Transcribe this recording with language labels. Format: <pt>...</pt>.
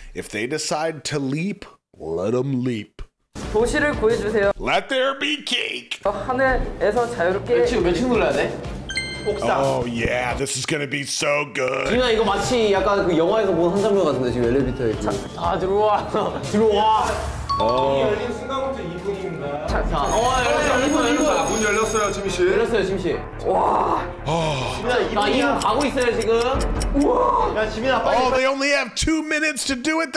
<en>If they decide to leap, let them leap.</en> <ko>도시를 구해주세요.</ko> <en>Let there be cake.</en> <ko>하늘에서 자유롭게. 며칠 눌러야 돼? 옥상.</ko> <en>Oh yeah, this is gonna be so good.</en> <ko>지민아, 이거 마치 약간 그 영화에서 본 한 장면 같은데 지금 엘리베이터에. 자, 아, 들어와. 들어와. 문이 열린 순간부터 2분입니다. 자, 자. 열렸어요. 문 열렸어요, 지민 씨. 열렸어요, 지민 씨. 와. 지민아, 나 2분 가고 있어요 지금. 우와. 야, 지민아, 빨리.</ko> <en>Oh, they only have 2 minutes to do it.</en>